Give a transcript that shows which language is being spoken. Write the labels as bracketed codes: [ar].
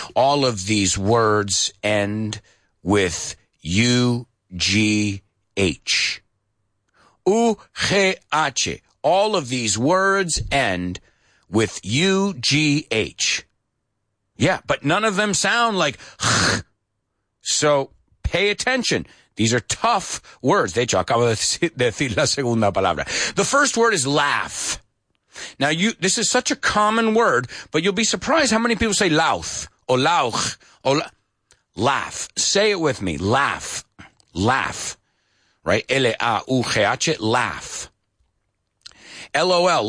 [en] All of these words end with U-G-H. U-G-H. All of these words end with U-G-H. Yeah, but none of them sound like H. So pay attention. These are tough words. [es] De hecho, acabo de decir la segunda palabra. [en] The first word is laugh. Now, this is such a common word, but you'll be surprised how many people say lauch or lauch. Laugh. Say it with me. Laugh. Laugh. Right? L-A-U-G-H. Laugh. L-O-L.